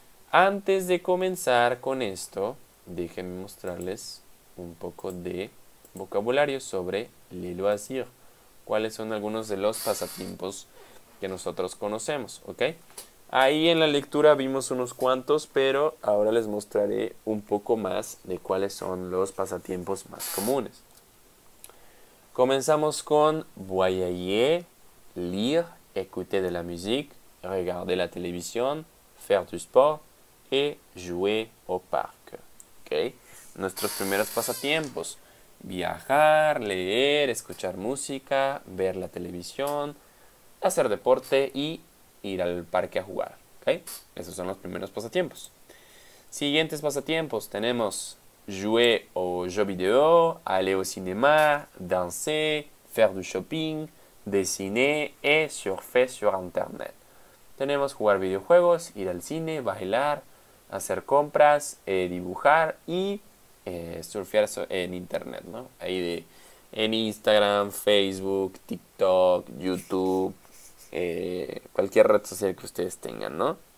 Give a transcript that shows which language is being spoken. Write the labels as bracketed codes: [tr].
[es] Antes de comenzar con esto, déjenme mostrarles un poco de vocabulario sobre le loisir. Cuáles son algunos de los pasatiempos que nosotros conocemos, ¿ok? Ahí en la lectura vimos unos cuantos, pero ahora les mostraré un poco más de cuáles son los pasatiempos más comunes. Comenzamos con [fr] voyager, lire, écouter de la musique, regarder la télévision, faire du sport et jouer au parc, ¿ok? [es] Nuestros primeros pasatiempos. Viajar, leer, escuchar música, ver la televisión, hacer deporte y ir al parque a jugar. ¿Okay? Esos son los primeros pasatiempos. Siguientes pasatiempos tenemos [fr] jouer au jeu vidéo, aller au cinéma, danser, faire du shopping, dessiner et surfer sur internet. [es] Tenemos jugar videojuegos, ir al cine, bailar, hacer compras, dibujar y surfear en internet, ¿no? Ahí en Instagram, Facebook, TikTok, YouTube, cualquier red social que ustedes tengan, ¿no?